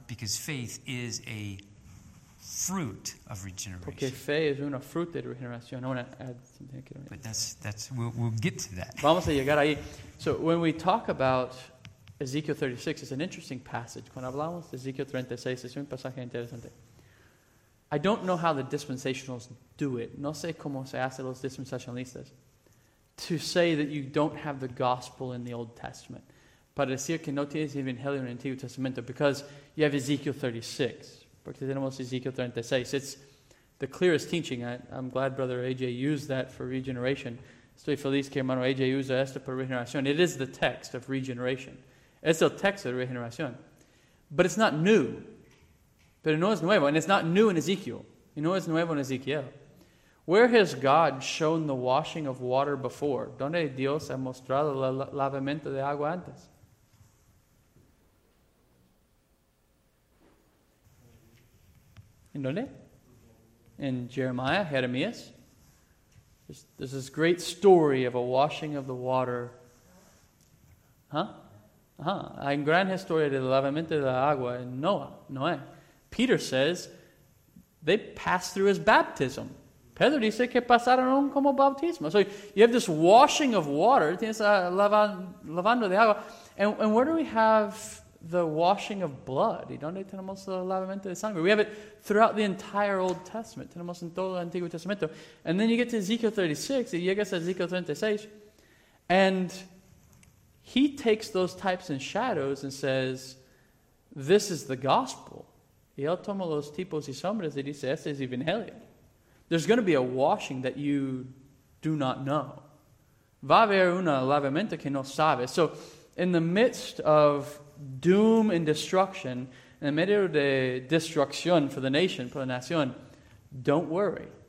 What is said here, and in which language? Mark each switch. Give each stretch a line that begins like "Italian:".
English: Because faith is a fruit of regeneration.
Spanish: Porque fe es una fruta de regeneración.
English: I want to add something. But that's we'll get to that.
Spanish: Vamos a llegar ahí.
English: So when we talk about Ezequiel 36 is an interesting passage.
Spanish: Cuando hablamos de Ezequiel 36, es un pasaje interesante.
English: I don't know how the dispensationalists do it.
Spanish: No sé cómo se hace los dispensacionalistas.
English: To say that you don't have the gospel in the Old Testament.
Spanish: Para decir que no tienes evangelio en el Antiguo Testamento.
English: Because you have Ezekiel 36.
Spanish: Porque tenemos Ezekiel 36.
English: It's the clearest teaching. I'm glad Brother AJ used that for regeneration.
Spanish: Estoy feliz que hermano AJ usa esto para regeneración.
English: It is the text of regeneration.
Spanish: Es el texto de regeneración.
English: But it's not new.
Spanish: Pero no es nuevo.
English: And it's not new in Ezekiel.
Spanish: Y no es nuevo en Ezekiel.
English: Where has God shown the washing of water before?
Spanish: ¿Dónde Dios ha mostrado el lavamiento de agua antes? ¿En dónde?
English: In Jeremiah,
Spanish: Jeremías.
English: There's this great story of a washing of the water. Huh? Uh-huh.
Spanish: Hay gran historia del lavamiento de agua en Noah, Noé.
English: Peter says they passed through his baptism.
Spanish: Pedro dice que pasaron como bautismo.
English: So you have this washing of water.
Spanish: Tienes lavando de agua.
English: And where do we have the washing of blood?
Spanish: ¿Y dónde tenemos el lavamiento de sangre?
English: We have it throughout the entire Old Testament.
Spanish: Tenemos en todo el Antiguo Testamento.
English: And then you get to Ezekiel 36.
Spanish: Y llegas a Ezekiel 36.
English: And he takes those types and shadows and says, this is the gospel.
Spanish: Y él toma los tipos y sombras y dice, este es evangelio.
English: There's going to be a washing that you do not know.
Spanish: Va a haber un lavamiento que no sabes.
English: So, in the midst of doom and destruction,
Spanish: en medio de destrucción
English: for the nation,
Spanish: por la nación,
English: don't worry.